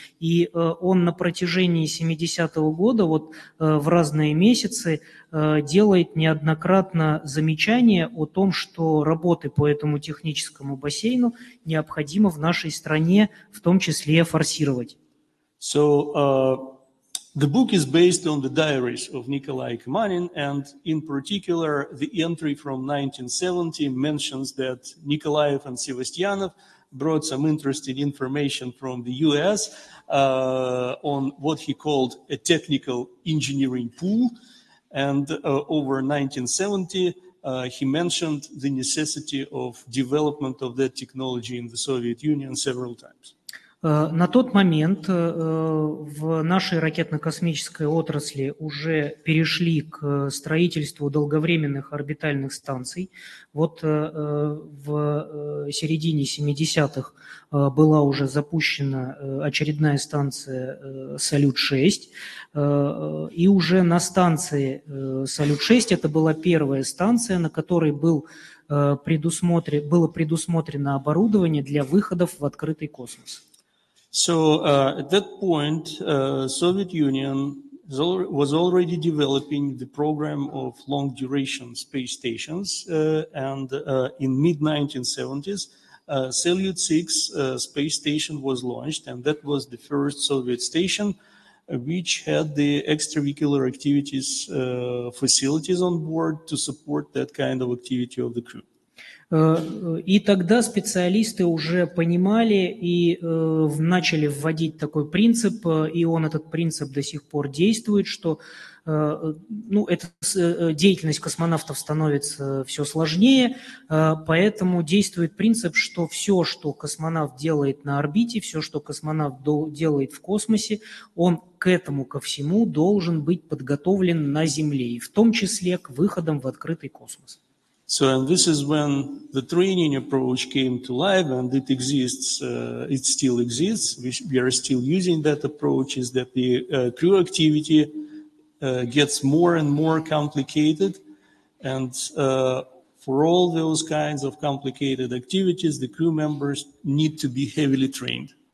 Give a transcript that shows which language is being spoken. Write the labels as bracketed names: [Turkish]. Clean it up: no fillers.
[Russian] И он на протяжении 70-го года вот, в разные месяцы делает неоднократно замечания о том, что работы по этому техническому бассейну необходимо в нашей стране в том числе форсировать. [English] So, the book is based on the diaries of Nikolai Kamanin, and in particular, the entry from 1970 mentions that Nikolaev and Sevastyanov brought some interesting information from the US on what he called a technical engineering pool. And over 1970, he mentioned the necessity of development of that technology in the Soviet Union several times. [Russian] На тот момент в нашей ракетно-космической отрасли уже перешли к строительству долговременных орбитальных станций. Вот в середине 70-х была уже запущена очередная станция «Салют-6». И уже на станции «Салют-6» это была первая станция, на которой было предусмотрено оборудование для выходов в открытый космос. [English] So at that point, Soviet Union was already developing the program of long-duration space stations, and in mid-1970s, Salyut-6 space station was launched, and that was the first Soviet station which had the extravehicular activities facilities on board to support that kind of activity of the crew. [Russian] И тогда специалисты уже понимали и начали вводить такой принцип, и он этот принцип до сих пор действует, что ну, эта деятельность космонавтов становится все сложнее, поэтому действует принцип, что все, что космонавт делает на орбите, все, что космонавт делает в космосе, он к этому ко всему должен быть подготовлен на Земле, в том числе к выходам в открытый космос. [English] So, and this is when the training approach came to life, and it exists, it still exists. We are still using that approach, is that the crew activity gets more and more complicated, and for all those kinds of complicated activities, the crew members need to be heavily trained.